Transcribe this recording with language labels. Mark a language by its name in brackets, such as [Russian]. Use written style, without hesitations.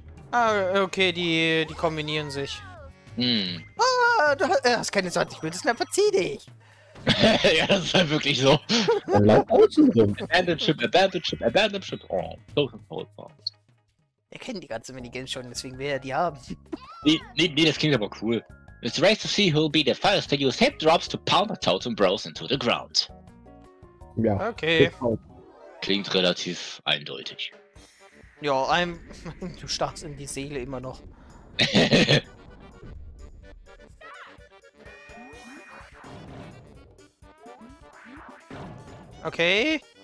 [German] Ah, okay, die kombinieren sich. Du hast keine 20 Münzen, dann verzieh dich! Ja, das ist halt wirklich so. Dann lauf außen rum. [English] Abandoned Ship. Oh, so important. [German] Er kennt die ganze Minigames schon, deswegen will er die haben. Nee, das klingt aber cool. [English] It's a race to see who'll be the first to use hip drops to pound the totem bros into the ground. [German] Ja. Okay. Klingt relativ eindeutig. Ja, du starrst in die Seele immer noch. Okay.